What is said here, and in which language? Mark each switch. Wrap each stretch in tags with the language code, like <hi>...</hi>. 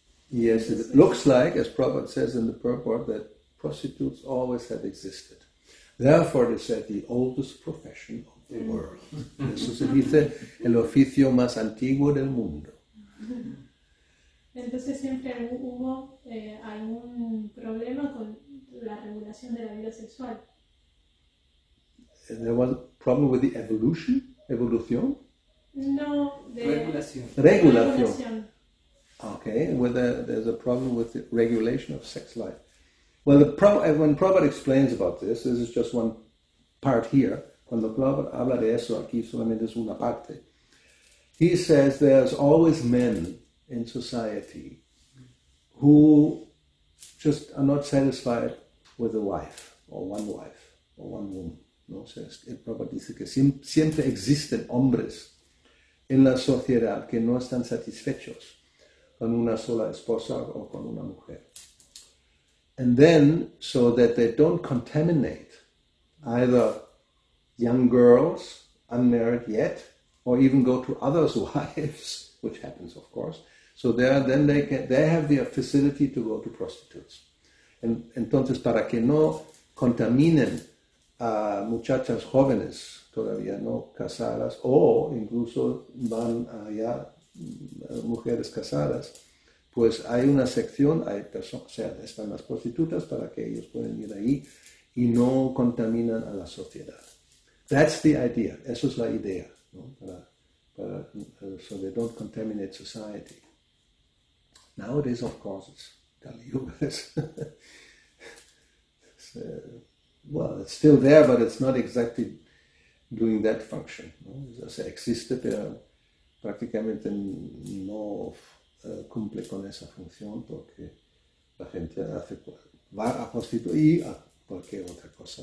<en>Yes, it looks like, as Prabhupada says in the purport, that prostitutes always have existed. Therefore, they said the oldest profession of the world.</en> <es>Eso se dice el oficio más antiguo del mundo. Entonces siempre hubo algún problema con la regulación de la vida sexual.</es> <en>There was a problem with the evolution? Evolución?</en> <es>No, de regulación.</es> <en>Okay, whether there's a problem with the regulation of sex life. Well, when Prabhupada explains about this, this is just one part here.</en> <es>Cuando Prabhupada habla de eso, aquí solamente es una parte.</es> <en>He says there's always men in society who just are not satisfied with a wife, or one wife, or one woman.</en> <es>No, o sea, Prabhupada dice que siempre existen hombres en la sociedad que no están satisfechos con una sola esposa o con una mujer.</es> <en>And then, so that they don't contaminate either young girls, unmarried yet, or even go to others' wives, which happens, of course. So there, then they can, they have the facility to go to prostitutes.</en> <es>And entonces, para que no contaminen a muchachas jóvenes, todavía no casadas, o incluso van allá mujeres casadas, pues hay una sección, hay personas, o sea, están las prostitutas para que ellos puedan ir ahí y no contaminan a la sociedad.</es> <en>That's the idea,</en> <es>eso es la idea, ¿no? Para,</es> <en>so they don't contaminate society. Nowadays, of course, it's Kali Yuga. Well, it's still there, but it's not exactly doing that function.</en> <es>¿No? O sea, existe, pero prácticamente no cumple con esa función porque la gente hace, va a prostituir a cualquier otra cosa.</es>